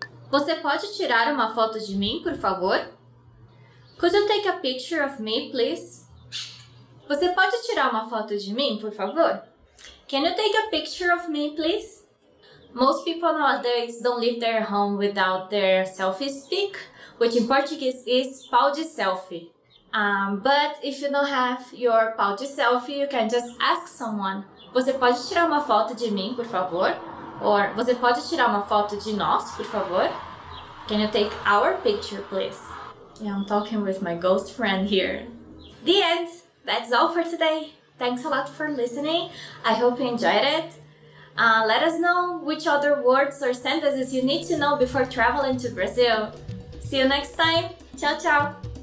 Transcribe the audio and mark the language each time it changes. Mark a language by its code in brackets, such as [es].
[pt] Você pode tirar uma foto de mim, por favor? [en] Could you take a picture of me, please? [pt] Você pode tirar uma foto de mim, por favor? [en] Can you take a picture of me, please? Most people nowadays don't leave their home without their selfie stick, which in Portuguese is [pt] pau de selfie. [en] But if you don't have your [pt] pau de selfie, [en] you can just ask someone. [pt] Você pode tirar uma foto de mim, por favor? Or, você pode tirar uma foto de nós, por favor? [en] Can you take our picture, please? Yeah, I'm talking with my ghost friend here. The end! That's all for today. Thanks a lot for listening. I hope you enjoyed it. Let us know which other words or sentences you need to know before traveling to Brazil. See you next time. Ciao, ciao!